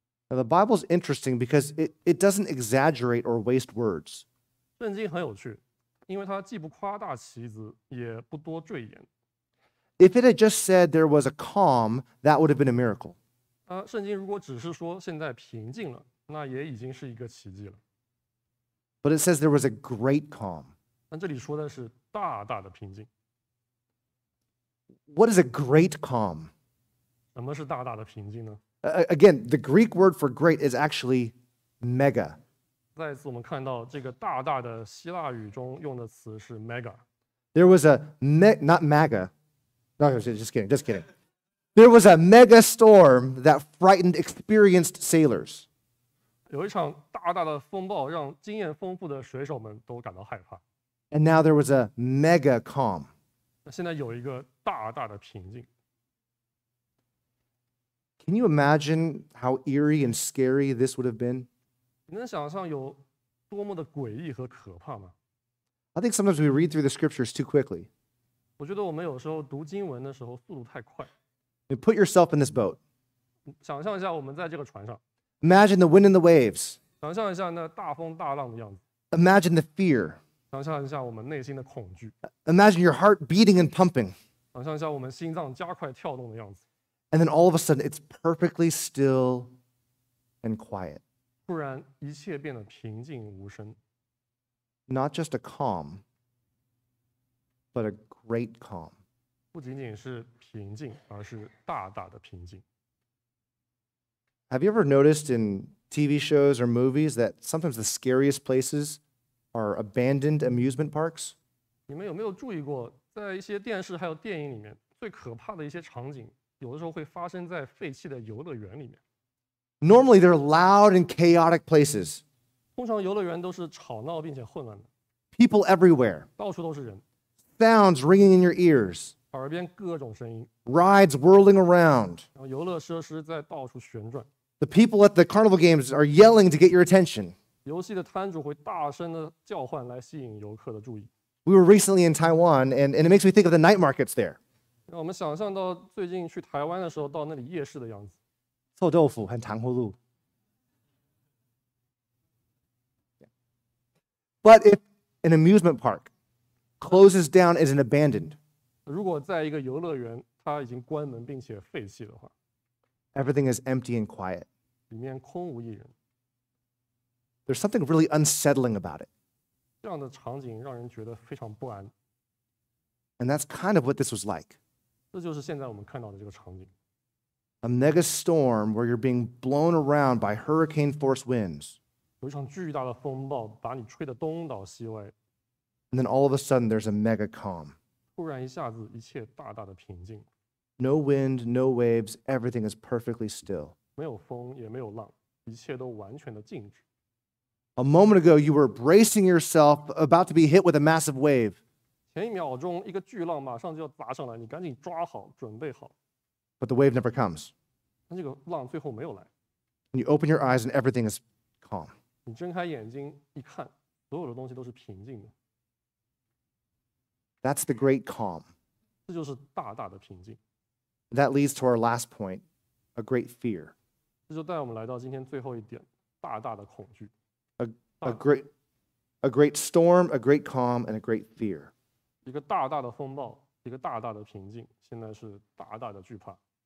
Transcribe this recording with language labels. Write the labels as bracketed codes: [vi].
[en] Now the Bible's interesting because it doesn't exaggerate or waste words. [zh] 圣经很有趣，因为它既不夸大其词，也不多赘言。 [en] If it had just said there was a calm, that would have been a miracle. [zh] 圣经如果只是说现在平静了，那也已经是一个奇迹了。 [en] But it says there was a great calm. [zh] 但这里说的是大大的平静。 [en] What is a great calm? [zh] 什么是大大的平静呢？ [en] Again, the Greek word for great is actually mega. [zh] 再次我们看到这个大大的希腊语中用的词是 mega。 [en] There was a not mega. No, just kidding. There was a mega storm that frightened experienced sailors. [zh] 有一场大大的风暴让经验丰富的水手们都感到害怕。 [en] And now there was a mega calm. [zh] 现在有一个大大的平静。 [en] Can you imagine how eerie and scary this would have been? [zh] 你能想象有多么的诡异和可怕吗？ [en] I think sometimes we read through the scriptures too quickly. [zh] 我觉得我们有时候读经文的时候速度太快。 [en] And put yourself in this boat. [zh] 想象一下我们在这个船上。 [en] Imagine the wind and the waves. [zh] 想象一下那大风大浪的样子。 [en] Imagine the fear. [zh] 想象一下我们内心的恐惧。 [en] Imagine your heart beating and pumping. [zh] 想象一下我们心脏加快跳动的样子。 [en] And then all of a sudden, it's perfectly still and quiet. [zh] 突然一切变得平静无声。 [en] Not just a calm, but a great calm. [zh] 不仅仅是平静，而是大大的平静。 [en] Have you ever noticed in TV shows or movies that sometimes the scariest places are abandoned amusement parks? [zh] 你们有没有注意过，在一些电视还有电影里面，最可怕的一些场景，有的时候会发生在废弃的游乐园里面。 [en] Normally, they're loud and chaotic places. [zh] 通常游乐园都是吵闹并且混乱的。 [en] People everywhere. [zh] 到处都是人。 [en] Sounds ringing in your ears. [zh] 耳边各种声音。 [en] Rides whirling around. [zh] 然后游乐设施在到处旋转。 [en] The people at the carnival games are yelling to get your attention. [zh] 游戏的摊主会大声的叫唤来吸引游客的注意。 [en] We were recently in Taiwan, and it makes me think of the night markets there. [zh] 让我们想象到最近去台湾的时候到那里夜市的样子。臭豆腐和糖葫芦。 [en] But if an amusement park closes down as an abandoned, [zh] 如果在一个游乐园它已经关门并且废弃的话， [en] everything is empty and quiet. [zh] 里面空无一人。 [en] There's something really unsettling about it. [zh] 这样的场景让人觉得非常不安。 [en] And that's kind of what this was like. [zh] 这就是现在我们看到的这个场景。 [en] A mega storm where you're being blown around by hurricane force winds. [zh] 有一场巨大的风暴把你吹得东倒西歪。 [en] And then all of a sudden, there's a mega calm. [zh] 突然一下子一切大大的平静。 [en] No wind, no waves, everything is perfectly still. [zh] 没有风也没有浪，一切都完全的静止。 [en] A moment ago, you were bracing yourself, about to be hit with a massive wave. [zh] 前一秒钟一个巨浪马上就要砸上来，你赶紧抓好，准备好。 [en] But the wave never comes. [zh] 那这个浪最后没有来。 [en] And you open your eyes and everything is calm. [zh] 你睁开眼睛一看，所有的东西都是平静的。 [en] That's the great calm. [zh] 这就是大大的平静。 [en] That leads to our last point, a great fear. [zh] 这就带我们来到今天最后一点，大大的恐惧。 [en] A great storm, a great calm, and a great fear. [zh] 一个大大的风暴，一个大大的平静，现在是大大的惧怕。